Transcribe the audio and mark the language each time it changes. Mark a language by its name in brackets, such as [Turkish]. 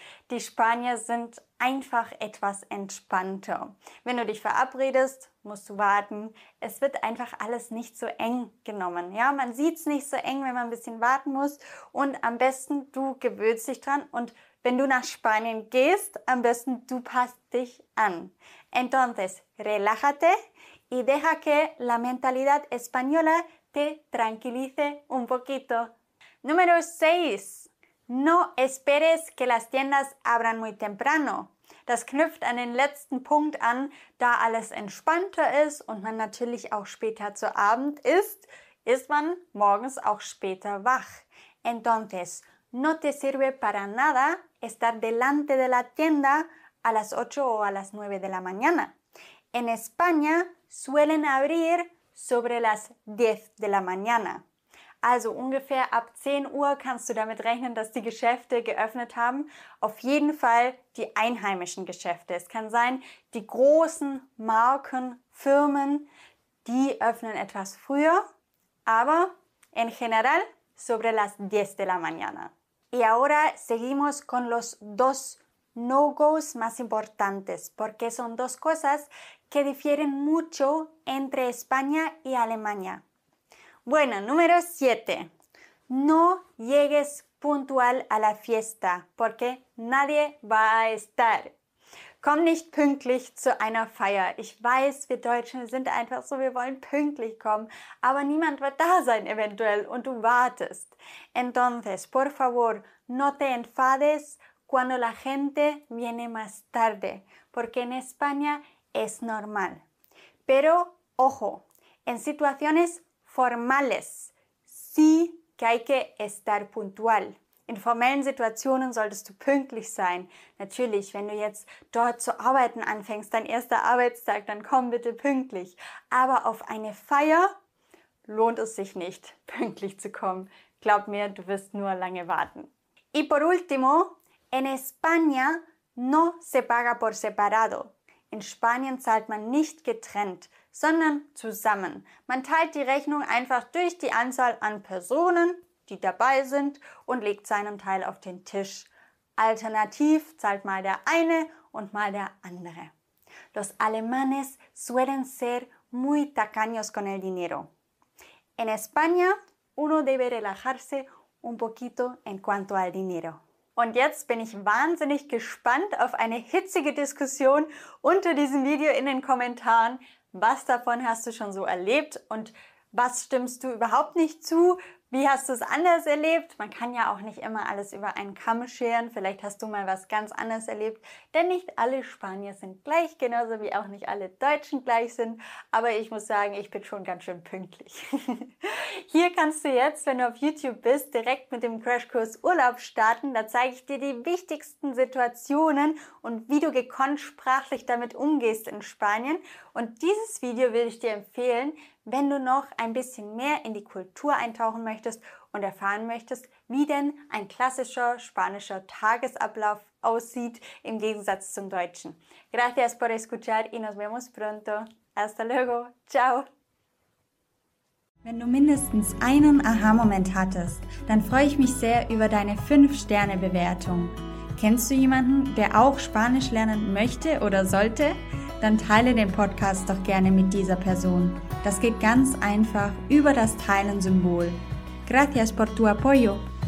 [German] Die Spanier sind einfach etwas entspannter. Wenn du dich verabredest, musst du warten. Es wird einfach alles nicht so eng genommen. Ja, man sieht's nicht so eng, wenn man ein bisschen warten muss. Und am besten, du gewöhnst dich dran und wenn du nach Spanien gehst, am besten du passt dich an. [Spanish] Entonces, relájate y deja que la mentalidad española te tranquilice un poquito. Número 6. No esperes que las tiendas abran muy temprano. [German] Das knüpft an den letzten Punkt an, da alles entspannter ist und man natürlich auch später zu Abend isst, ist man morgens auch später wach. [Spanish] Entonces, no te sirve para nada estar delante de la tienda a las 8 o a las 9 de la mañana. En España suelen abrir sobre las 10 de la mañana. [German] Also ungefähr ab 10 Uhr kannst du damit rechnen, dass die Geschäfte geöffnet haben. Auf jeden Fall die einheimischen Geschäfte. Es kann sein, die großen Marken, Firmen, die öffnen etwas früher. [Spanish] Aber en general sobre las 10 de la mañana. Y ahora seguimos con los dos no-gos más importantes, porque son dos cosas que difieren mucho entre España y Alemania. Bueno, número 7. No llegues puntual a la fiesta, porque nadie va a estar. [German] Komm nicht pünktlich zu einer Feier. Ich weiß, wir Deutschen sind einfach so, wir wollen pünktlich kommen, aber niemand wird da sein eventuell und du wartest. [Spanish] Entonces, por favor, no te enfades cuando la gente viene más tarde, porque en España es normal. Pero, ojo, en situaciones formales sí que hay que estar puntual. [German] In formellen Situationen solltest du pünktlich sein. Natürlich, wenn du jetzt dort zu arbeiten anfängst, dein erster Arbeitstag, dann komm bitte pünktlich. Aber auf eine Feier lohnt es sich nicht, pünktlich zu kommen. Glaub mir, du wirst nur lange warten. [Spanish] Y por último, en España no se paga por separado. [German] In Spanien zahlt man nicht getrennt, sondern zusammen. Man teilt die Rechnung einfach durch die Anzahl an Personen, die dabei sind und legt seinen Teil auf den Tisch. Alternativ zahlt mal der eine und mal der andere. [Spanish] Los alemanes suelen ser muy tacaños con el dinero. En España, uno debe relajarse un poquito en cuanto al dinero. [German] Und jetzt bin ich wahnsinnig gespannt auf eine hitzige Diskussion unter diesem Video in den Kommentaren. Was davon hast du schon so erlebt und was stimmst du überhaupt nicht zu? Wie hast du es anders erlebt? Man kann ja auch nicht immer alles über einen Kamm scheren. Vielleicht hast du mal was ganz anderes erlebt. Denn nicht alle Spanier sind gleich, genauso wie auch nicht alle Deutschen gleich sind. Aber ich muss sagen, ich bin schon ganz schön pünktlich. Hier kannst du jetzt, wenn du auf YouTube bist, direkt mit dem Crashkurs Urlaub starten. Da zeige ich dir die wichtigsten Situationen und wie du gekonnt sprachlich damit umgehst in Spanien. Und dieses Video will ich dir empfehlen, wenn du noch ein bisschen mehr in die Kultur eintauchen möchtest und erfahren möchtest, wie denn ein klassischer spanischer Tagesablauf aussieht im Gegensatz zum Deutschen. [Spanish] Gracias por escuchar y nos vemos pronto. Hasta luego. Ciao. [German] Wenn du mindestens einen Aha-Moment hattest, dann freue ich mich sehr über deine 5-Sterne-Bewertung. Kennst du jemanden, der auch Spanisch lernen möchte oder sollte? dann teile den Podcast doch gerne mit dieser Person. Das geht ganz einfach über das Teilen-Symbol. [Spanish] Gracias por tu apoyo.